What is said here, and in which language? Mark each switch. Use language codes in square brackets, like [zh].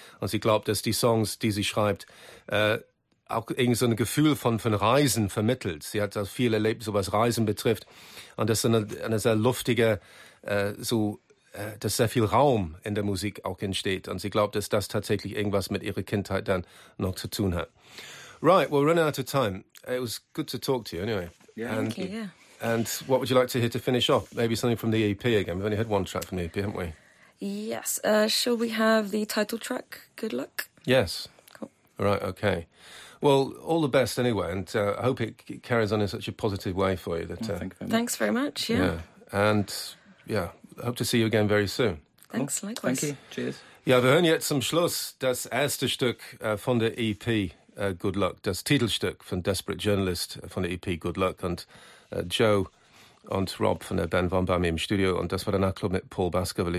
[de] Und sie glaubt, dass die Songs, die sie schreibt, auch irgendwie so ein Gefühl von Reisen vermittelt. Sie hat da viel erlebt, so was Reisen betrifft. Und das ist eine sehr luftige, dass sehr viel Raum in der Musik auch entsteht. Und sie glaubt, dass das tatsächlich irgendwas mit ihrer Kindheit dann noch zu tun hat. [en] Right, well, we're running out of time. It was good to talk to you anyway. Yeah. And, thank you, yeah. And what would you like to hear to finish off? Maybe something from the EP again. We've only heard one track from the EP, haven't we? Yes. Shall we have the title track, Good Luck? Yes. Cool. All right, OK. Well, all the best anyway, and I hope it carries on in such a positive way for you. That, thanks very much, yeah. And, yeah, hope to see you again very soon. Thanks, cool. Likewise. Thank you. Cheers. [de] Ja, wir hören jetzt zum Schluss das erste Stück von der EP Good Luck, das Titelstück von Desperate Journalist von der EP Good Luck, und Joe und Rob von der Band waren bei mir im Studio, und das war der Nachtclub mit Paul Baskerville.